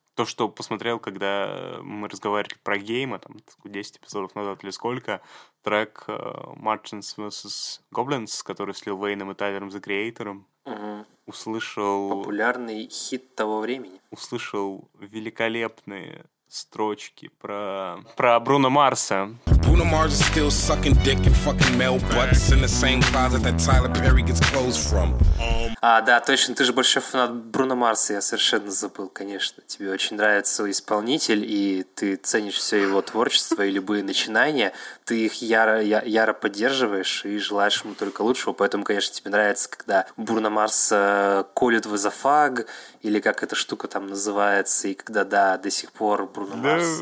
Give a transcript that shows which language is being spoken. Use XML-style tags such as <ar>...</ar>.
<ru>То, что посмотрел, когда мы разговаривали про гейма, там, 10 эпизодов назад или сколько, трек «Martians vs. Goblins», который слил Вейном и Тайлером «The Creator». Угу. Услышал... Популярный хит того времени. Услышал великолепные строчки про Бруно Марса.</ru> <en>Bruno Mars is still sucking dick and fucking male butts in the same closet that Tyler Perry gets clothes from.</en> <ru>А, да, точно, ты же большой фанат Бруно Марса, я совершенно забыл, конечно. Тебе очень нравится исполнитель, и ты ценишь все его творчество и любые начинания. Ты их яро поддерживаешь и желаешь ему только лучшего. Поэтому, конечно, тебе нравится, когда Бруно Марс колет в изофаг, или как эта штука там называется, и когда, да, до сих пор Бруно Марс...</ru>